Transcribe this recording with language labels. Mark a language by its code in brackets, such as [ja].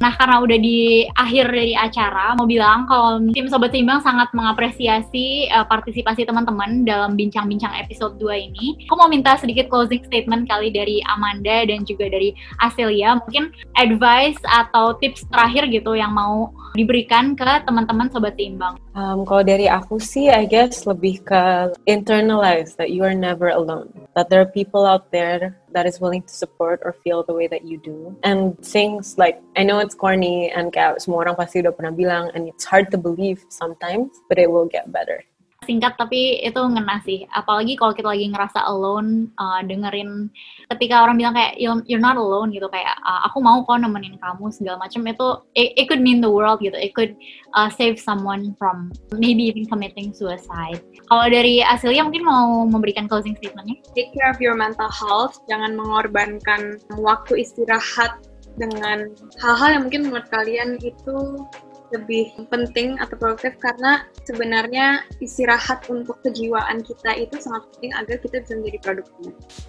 [id] Nah, karena udah di akhir dari acara, mau bilang kalau tim Sobat Seimbang sangat mengapresiasi partisipasi teman-teman dalam bincang-bincang episode 2 ini. Aku mau minta sedikit closing statement kali dari Amanda dan juga dari Aselia. Mungkin advice atau tips terakhir gitu yang mau diberikan ke teman-teman Sobat Seimbang. Kalau dari aku sih, [en] I guess [id] lebih ke [en] internalize that you are never alone. That there are people out there that is willing to support or feel the way that you do. And things like, I know it's corny, and [id] kayak semua orang pasti udah pernah bilang, [en] and it's hard to believe sometimes, but it will get better. [id] Singkat, tapi itu ngena sih. Apalagi kalau kita lagi ngerasa alone, dengerin ketika orang bilang kayak, [en] you're not alone [id] gitu, kayak, aku mau kok nemenin kamu, segala macam itu, [en] it could mean the world [id] gitu. [en] It could save someone from maybe even committing suicide. [id] Kalau dari Asilia mungkin mau memberikan closing statement-nya? [en] Take care of your mental health. [id] Jangan mengorbankan waktu istirahat dengan hal-hal yang mungkin menurut kalian itu lebih penting atau produktif, karena sebenarnya istirahat untuk kejiwaan kita itu sangat penting agar kita bisa menjadi produktif.